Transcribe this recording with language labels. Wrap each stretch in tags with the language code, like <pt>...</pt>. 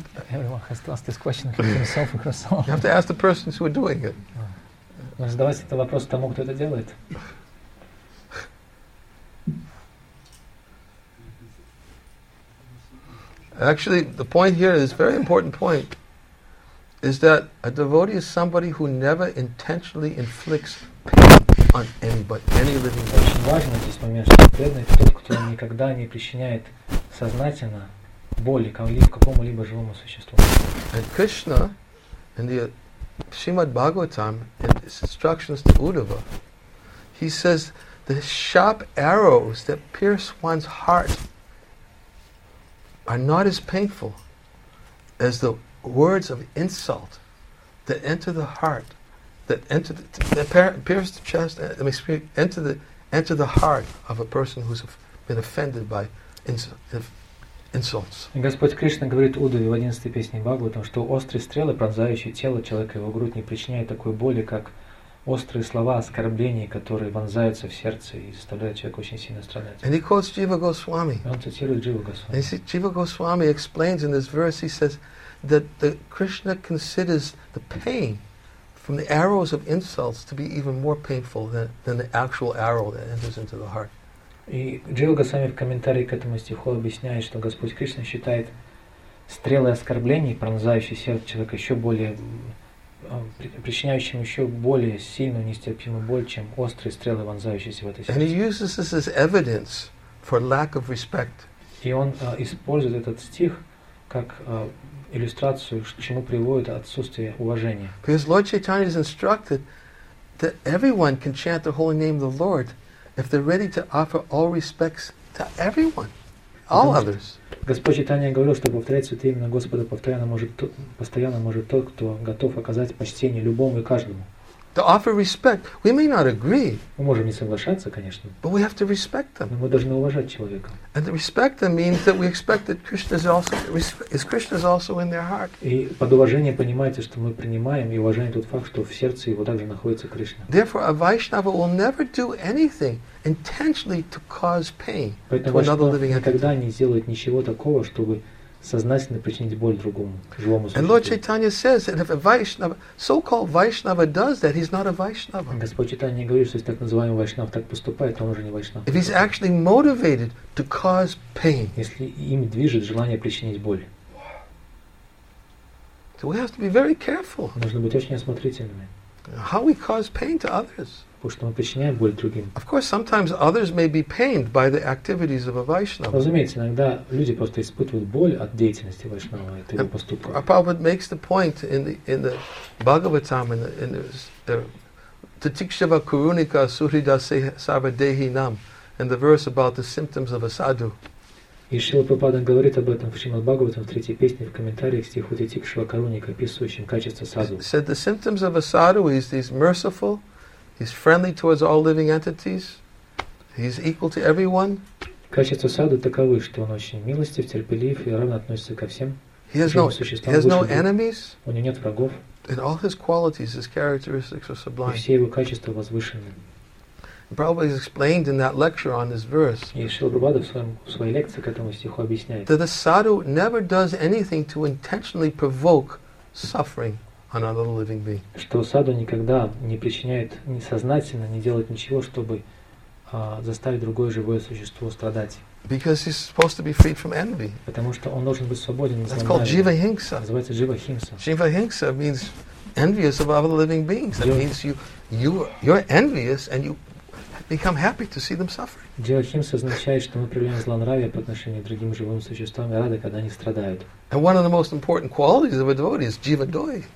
<en>Everyone has to ask this question for himself or herself. You have to ask the persons who are doing it.</en> <ru>Нужно задавать этот вопрос тому, кто это делает.</ru> <en>Actually, the point here is very important point, is that a devotee is somebody who never intentionally inflicts pain on any living being.</en> <ru>Очень важно здесь момент, что преданный тот, кто никогда не причиняет сознательно боли какому-либо живому существу.</ru> <en>And Krishna, in the Srimad Bhagavatam, in his instructions to Uddhava, he says the sharp arrows that pierce one's heart are not as painful as the words of insult that enter the heart, that enter enter the heart of a person who's been offended by insults.</en> <ru>И Господь Кришна говорит Удаве в 11-й песне Бхагаватам, что острые стрелы, пронзающие тело человека, его грудь, не причиняют такой боли, как острые слова оскорблений, которые вонзаются в сердце и заставляют человека очень сильно страдать.</ru> <en>And he quotes Jiva Goswami.</en> <ru>Он цитирует Джива Госвами.</ru> <en>And he says, Jiva Goswami explains in this verse, he says that the Krishna considers the pain from the arrows of insults to be even more painful than the actual arrow that enters into the heart.</en> <ru>И Джива Госвами в комментарии к этому стиху объясняет, что Господь Кришна считает стрелы оскорблений, пронзающие сердце человека, еще более причиняющим еще более сильную нестерпимую боль, чем острые стрелы, вонзающиеся в это сердце.</ru> <en>And he uses this as evidence for lack of respect.</en> <ru>И он использует этот стих как иллюстрацию, к чему приводит отсутствие уважения.</ru> <en>Because Lord Chaitanya is instructed that everyone can chant the holy name of the Lord if they're ready to offer all respects to everyone. All others.</en> <ru>Господь Чайтанья говорил, что повторять святое имя Господа постоянно может тот, кто готов оказать почтение любому и каждому.</ru> <en>To offer respect. We may not agree.</en> <ru>Мы можем не соглашаться, конечно.</ru> <en>But we have to respect them.</en> <ru>Но мы должны уважать человека.</ru> <en>And to respect them means that we expect that Krishna is also in their heart.</en> <ru>И под уважение понимаете, что мы принимаем и уважаем тот факт, что в сердце его также находится Кришна.</ru> <en>Therefore, a Vaishnava will never do anything intentionally to cause pain to another living entity.</en> <ru>Никогда не сделает ничего такого, чтобы сознательно причинить боль другому живому существу.</ru> <en>And Lord Chaitanya says that if a Vaishnava, so-called Vaishnava, does that, he's not a Vaishnava.</en> <ru>Господь Чайтанья говорит, что если так называемый Вайшнав так поступает, то он уже не Вайшнав.</ru> <en>If he's actually motivated to cause pain.</en> <ru>Если им движет желание причинить боль.</ru> <en>So we have to be very careful.</en> <ru>Нужно быть очень осмотрительными.</ru> <en>How we cause pain to others.</en> <ru>Потому что мы причиняем боль другим.</ru> <en>Of course, sometimes others may be pained by the activities of a Vaishnava.</en> <ru>Разумеется, иногда люди просто испытывают боль от деятельности Вайшнава, от его поступков.</ru> <en>And Prabhupada makes the point in the Bhagavatam, in the Tatikshava Kurunika Suridase Sabadehi Nam, in the verse about the symptoms of a sadhu.</en> <ru>И Шрила Прабхупада говорит об этом в Шримад Бхагаватам в третьей песне в комментариях к стиху Тикшва Каруника, описывающим качество садху.</ru> <en>He said the symptoms of a sadhu is he's merciful, he's friendly towards all living entities, he's equal to everyone.</en> <ru>Качество садху таковы, что он очень милостив, терпелив и равно относится ко всем.</ru> <en>He has no enemies.</en> <ru>У него нет врагов.</ru> <en>And all his qualities, his characteristics are sublime.</en> <ru>И все его качества возвышены.</ru> <en>Probably explained in that lecture on this verse.</en> <ru>И Шрила Прабхупада в своей лекции к этому стиху объясняет.</ru> <en>That a sadhu never does anything to intentionally provoke suffering on another living being.</en> <ru>Что садху никогда не причиняет несознательно, не делает ничего, чтобы заставить другое живое существо страдать.</ru> <en>Because he's supposed to be freed from envy.</en> <ru>Потому что он должен быть свободен.</ru> <en>That's called jiva hinsa.</en> <ru>Называется jiva hinsa.</ru> <en>Jiva hinsa means envious of other living beings. That means you're envious and you become happy to see them suffering.</en> <ru>Jiva hinsa означает, что мы проявляем злонравие по отношению к другим живым существам и рады, когда они страдают.</ru> <en>And one of the most important qualities of a devotee is jiva doya.</en>